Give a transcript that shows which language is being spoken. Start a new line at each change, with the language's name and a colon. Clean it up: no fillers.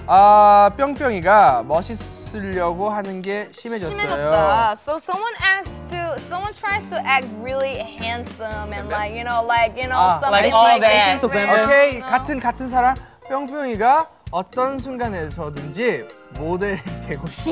Korean: 아 뿅뿅이가 멋있으려고 하는 게 심해졌어요. 심해졌다.
English: So someone tries to act really handsome and like all that.
Korean: Okay, 같은 사람 뿅뿅이가 어떤 순간에서든지 모델이 되고 싶어.